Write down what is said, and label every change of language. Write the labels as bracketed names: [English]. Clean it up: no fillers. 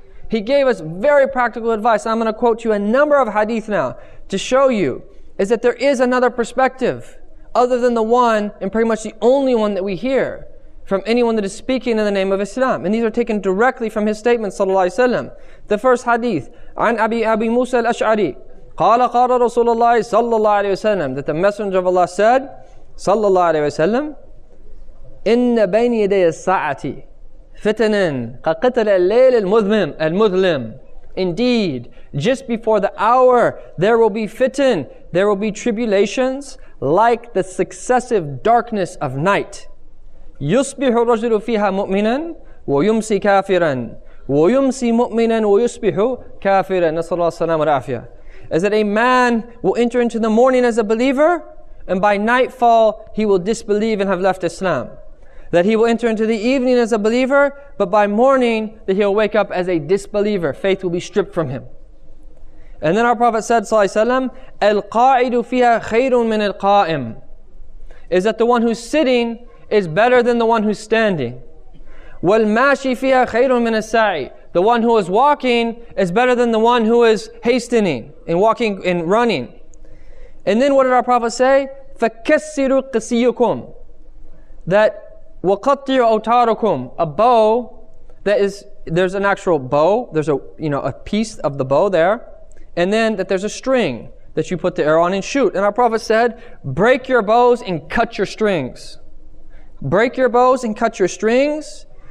[English] He gave us very practical advice. I'm going to quote you a number of hadith now to show you is that there is another perspective other than the one and pretty much the only one that we hear from anyone that is speaking in the name of Islam. And these are taken directly from his statement, sallallahu alayhi wa sallam. The first hadith, [Arabic] عن أبي موسى الأشعري قال قال رسول الله صلى الله عليه وسلم, [English] that the Messenger of Allah said, [Arabic] صلى الله عليه وسلم, إِنَّ بَيْنِ يَدَيَ السَّاعَةِ فِتَنًا قَقِتَلَ اللَّيْلِ الْمُظْلِمِ الْمُظْلِمِ. Indeed, just before the hour, there will be fitan, there will be tribulations, like the successive darkness of night. يُصْبِحُ الرَّجُلُ فِيهَا مُؤْمِنًا وَيُمْسِي كَافِرًا وَيُمْسِي مُؤْمِنًا وَيُصْبِحُ كَافِرًا. نَسْأَلُ اللَّهَ السَّلَامَ وَالْعَافِيَةَ. [English] As that a man will enter into the morning as a believer, and by nightfall he will disbelieve and have left Islam. That he will enter into the evening as a believer, but by morning that he'll wake up as a disbeliever. Faith will be stripped from him. And then our Prophet said, sallallahu alayhi wa sallam, [Arabic] al-qa'idu fiha khayrun min al-qa'im. [English] Is that the one who's sitting is better than the one who's standing. [Arabic] Wal-mashi fiha khayrun min al-sa'i. [English] The one who is walking is better than the one who is hastening and walking and running. And then what did our Prophet say? [Arabic] فَكَسِّرُوا قِسِيُّكُمْ. That وَقَطِّرُوا أَوْتَارُكُمْ. [English] A bow, there's an actual bow, there's a piece of the bow there, and then that there's a string that you put the arrow on and shoot. And our Prophet said, break your bows and cut your strings. Break your bows and cut your strings.